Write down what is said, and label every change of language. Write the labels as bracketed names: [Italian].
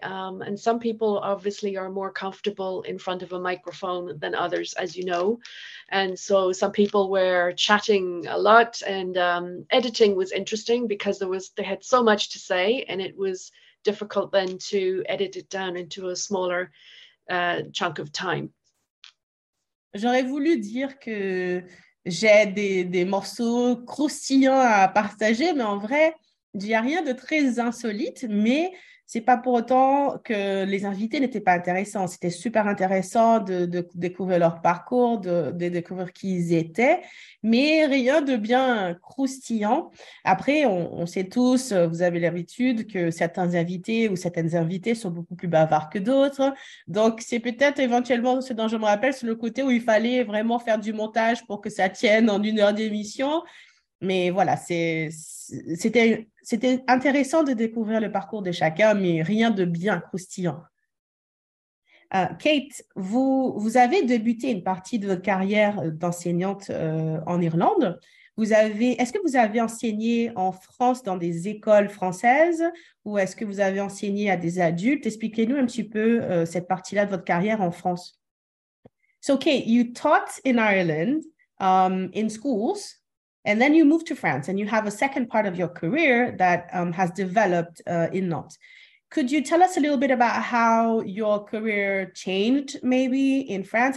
[English] And some people obviously are more comfortable in front of a microphone than others, as you know. And so some people were chatting a lot, and editing was interesting because they had so much to say, and it was difficult then to edit it down into a smaller chunk of time. [French] J'aurais voulu dire que j'ai des morceaux croustillants à partager, mais en vrai, il n'y a rien de très insolite, mais ce n'est pas pour autant que les invités n'étaient pas intéressants. C'était super intéressant de découvrir leur parcours, de découvrir qui ils étaient, mais rien de bien croustillant. Après, on sait tous, vous avez l'habitude, que certains invités ou certaines invitées sont beaucoup plus bavards que d'autres. Donc, c'est peut-être éventuellement ce dont je me rappelle, c'est le côté où il fallait vraiment faire du montage pour que ça tienne en une heure d'émission. Mais voilà, c'était intéressant de découvrir le parcours de chacun, mais rien de bien croustillant. Kate, vous avez débuté une partie de votre carrière d'enseignante en Irlande. Est-ce que vous avez enseigné en France dans des écoles françaises, ou est-ce que vous avez enseigné à des adultes? Expliquez-nous un petit peu cette partie-là de votre carrière en France. [English] So Kate, you taught in Ireland in schools. And then you moved to France and you have a second part of your career that has developed in Nantes. Could you tell us a little bit about how your career changed maybe in France?